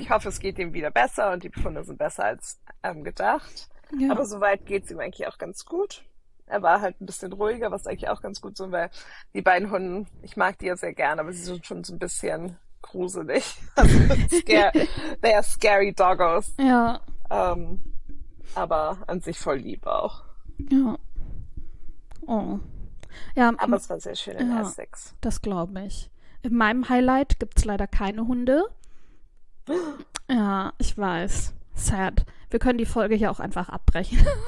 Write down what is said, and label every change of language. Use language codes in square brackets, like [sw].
[de] Ich hoffe, es geht ihm wieder besser und die Befunde sind besser als gedacht. Ja. Aber soweit geht es ihm eigentlich auch ganz gut. Er war halt ein bisschen ruhiger, was eigentlich auch ganz gut so, weil die beiden Hunde, ich mag die ja sehr gerne, aber sie sind schon so ein bisschen gruselig. [en] Also, they are scary doggos. [de] Ja. Aber an sich voll lieb auch. Ja. Oh. Ja, Aber es war sehr schön in Essex. das glaube ich. In meinem Highlight gibt es leider keine Hunde. Ja, ich weiß. Sad. Wir können die Folge hier auch einfach abbrechen.